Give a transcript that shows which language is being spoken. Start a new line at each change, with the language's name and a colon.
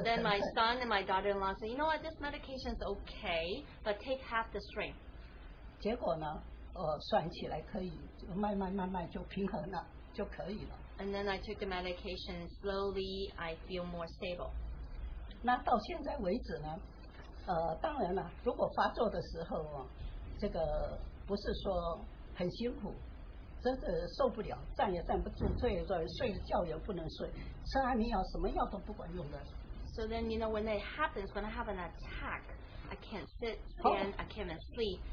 English: then my son and my daughter-in-law said, you know what, this medication is okay, but take half the strength.
Chinese: 结果呢，算起来可以，慢慢就平衡了，就可以了。
English: And then I took the medication slowly, I feel more stable.
Chinese: 那到现在为止呢，当然了，如果发作的时候，这个不是说很辛苦。真的受不了，站也站不住，坐也坐，睡觉也不能睡，吃安眠药什么药都不管用的。
English: So then you know when it happens, when I have an attack, I can't sit, stand, I can't sleep.